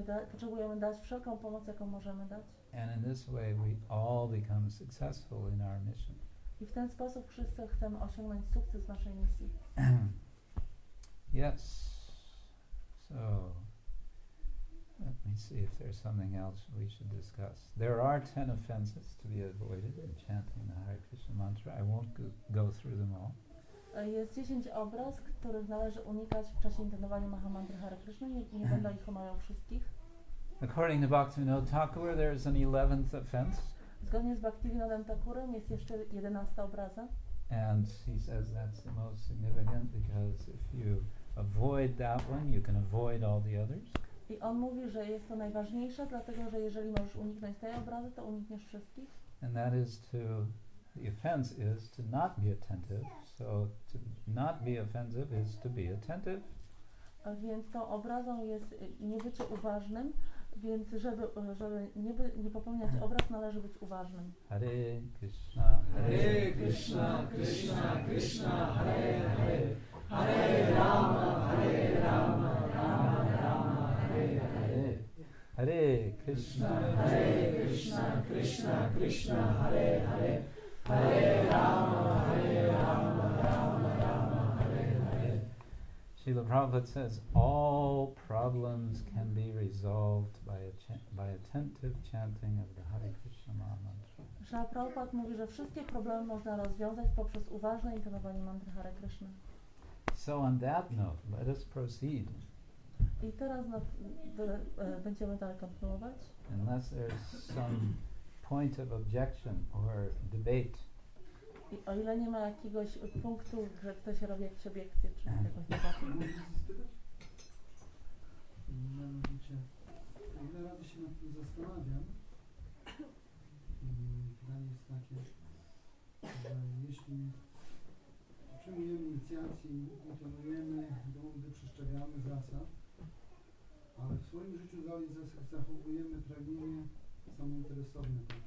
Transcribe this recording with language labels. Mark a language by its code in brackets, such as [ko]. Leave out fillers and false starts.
[pl] Potrzebujemy dać wszelką pomoc, jaką możemy dać. [en] And in this way we all become successful in our mission. [pl] I w ten sposób wszyscy chcemy osiągnąć sukces w naszej misji. [en] Yes. So let me see if there's something else we should discuss. There are 10 offenses to be avoided in chanting the Hare Krishna mantra. I won't go through them all. [pl] Jest 10 obraz, których należy unikać w czasie intonowania Mahamantry Hare Krishna. Nie będę ich omawiał wszystkich. [en] According to Bhaktivinoda Thakura, there is an 11th offense. [pl] Zgodnie z Bhaktivinoda Thakura jest jeszcze 11 obraza. [en] And he says that's the most significant because if you avoid that one, you can avoid all the others. [pl] I on mówi, że jest to najważniejsze, dlatego że jeżeli możesz uniknąć tej obrazy, to unikniesz wszystkich. [en] And that is to, the offense is to not be attentive. So to not be offensive is to be attentive. [pl] A więc tą obrazą jest niebycie uważnym, więc żeby nie popełniać obraz, należy być uważnym. [sa] Hare Krishna, Hare Krishna, Krishna Krishna, Hare Hare, Hare Rama, Hare Rama. Hare Krishna, Hare Krishna, Krishna Krishna, Hare Hare, Hare Rama, Hare Rama, Rama Rama, Hare Hare. [en] Srila Prabhupada says, all problems can be resolved by attentive chanting of the Hare Krishna mantra. [pl] Srila Prabhupada mówi, że wszystkie problemy można rozwiązać poprzez uważne intonowanie mantry Hare Krishna. [en] So on that note, let us proceed. [pl] I teraz będziemy dalej kontynuować. [en] Unless there is some point of objection or debate. [pl] I o ile nie ma jakiegoś punktu, że ktoś robi jakieś obiekcje, czy jakąś debatę. Ile razy się nad tym zastanawiam, pytanie jest takie, że jeśli przyjmujemy inicjację, kontynuujemy, gdy przestrzegamy zasad, ale w swoim życiu dalej zachowujemy pragnienie samointeresowne.